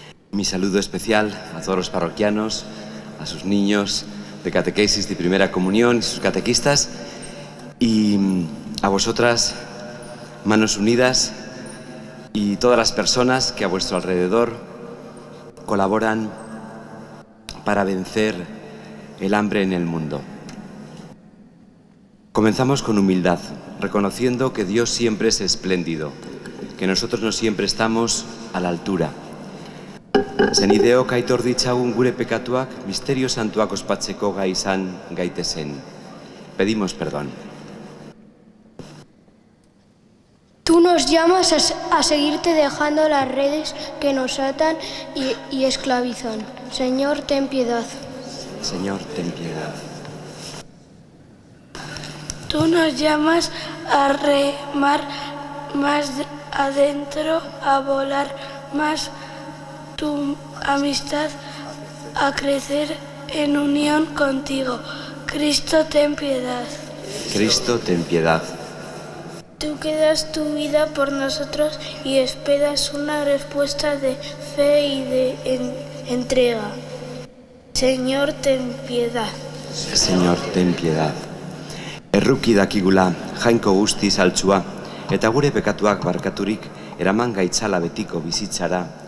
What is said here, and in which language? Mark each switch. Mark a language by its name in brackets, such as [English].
[Spanish] Mi saludo especial a todos los parroquianos, a sus niños de catequesis de primera comunión, y sus catequistas, y a vosotras, Manos Unidas, y todas las personas que a vuestro alrededor colaboran para vencer el hambre en el mundo. Comenzamos con humildad, reconociendo que Dios siempre es espléndido, que nosotros no siempre estamos a la altura. [Basque] Senideo kaitor ditzagun gure pekatuak, misterio santuak ospatzeko gai izan gaitezen. [Spanish] Pedimos perdón. Tú nos llamas a seguirte dejando las redes que nos atan y esclavizan. Señor, ten piedad. Señor, ten piedad. Tú nos llamas a remar más adentro, a volar más. Tu amistad a crecer en unión contigo. Cristo, ten piedad. Cristo, ten piedad. Tú que das tu vida por nosotros y esperas una respuesta de fe y de entrega. Señor, ten piedad. Señor, ten piedad. [Basque] Erruki dakigula, jainko guztiz altxua, eta gure pekatuak barkaturik eraman gaitzala betiko bizitzara.